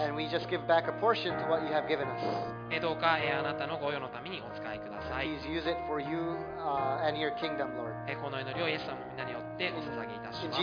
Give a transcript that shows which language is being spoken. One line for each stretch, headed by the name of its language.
English: And we just give back a portion to what you have given us.
Japanese: どうかあなたの御用のためにお使いください。
English: Please use it for you and your kingdom, Lord.
Japanese: この祈りをイエス様みんなによってお捧げいたします。